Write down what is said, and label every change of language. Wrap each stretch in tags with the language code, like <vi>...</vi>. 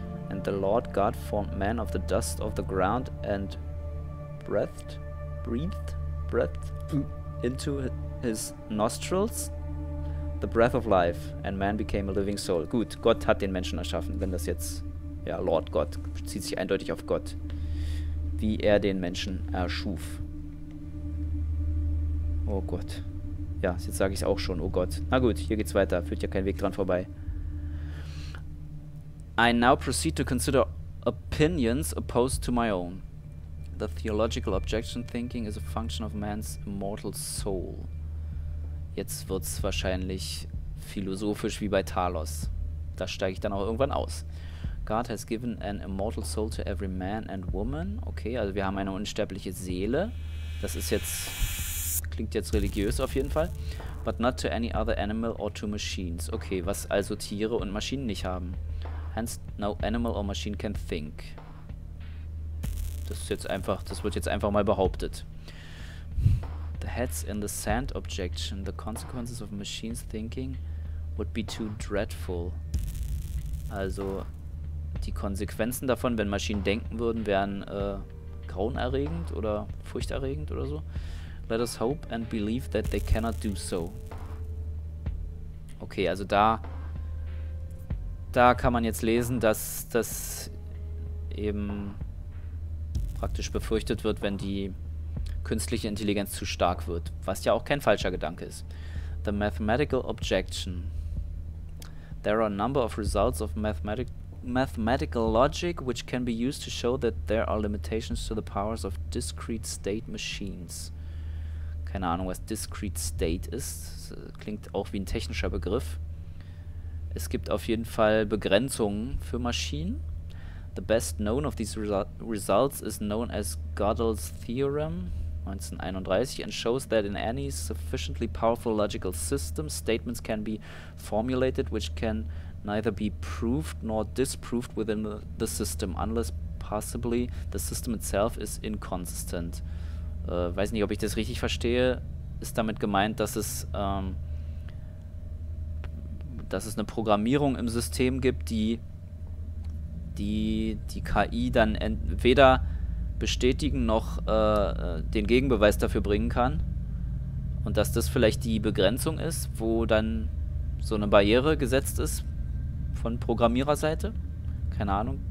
<en>And the Lord God formed man of the dust of the ground and breathed into his nostrils the breath of life and man became a living soul.</en> <de>Gut, Gott hat den Menschen erschaffen, wenn das jetzt, ja, Lord God bezieht sich eindeutig auf Gott, wie er den Menschen erschuf. Oh Gott. Ja, jetzt sage ich es auch schon, oh Gott. Na gut, hier geht's weiter, führt ja kein Weg dran vorbei.</de> <en>I now proceed to consider opinions opposed to my own. The theological objection thinking is a function of man's immortal soul.</en> <de>Jetzt wird's wahrscheinlich philosophisch wie bei Talos. Da steige ich dann auch irgendwann aus.</de> <en>God has given an immortal soul to every man and woman.</en> <de>Okay, also wir haben eine unsterbliche Seele. Das ist jetzt, klingt jetzt religiös auf jeden Fall.</de> <en>But not to any other animal or to machines.</en> <de>Okay, was also Tiere und Maschinen nicht haben.</de> <en>Hence, no animal or machine can think.</en> <de>Das ist jetzt einfach, das wird jetzt einfach mal behauptet.</de> <en>The heads in the sand objection. The consequences of machines thinking would be too dreadful.</en> <de>Also, die Konsequenzen davon, wenn Maschinen denken würden, wären grauenerregend oder furchterregend oder so.</de> <en>Let us hope and believe that they cannot do so.</en> <de>Okay, also da kann man jetzt lesen, dass das eben praktisch befürchtet wird, wenn die künstliche Intelligenz zu stark wird, was ja auch kein falscher Gedanke ist.</de> <en>The mathematical objection. There are a number of results of mathematical logic which can be used to show that there are limitations to the powers of discrete state machines.</en> <de>Keine Ahnung, was discrete state ist. Das klingt auch wie ein technischer Begriff. Es gibt auf jeden Fall Begrenzungen für Maschinen.</de> <en>The best known of these results is known as Gödel's Theorem 1931 and shows that in any sufficiently powerful logical system, statements can be formulated which can neither be proved nor disproved within the system, unless possibly the system itself is inconsistent.</en> <de>Weiß nicht, ob ich das richtig verstehe. Ist damit gemeint, dass es eine Programmierung im System gibt, die KI dann entweder bestätigen noch den Gegenbeweis dafür bringen kann, und dass das vielleicht die Begrenzung ist, wo dann so eine Barriere gesetzt ist von Programmiererseite. Keine Ahnung.</de>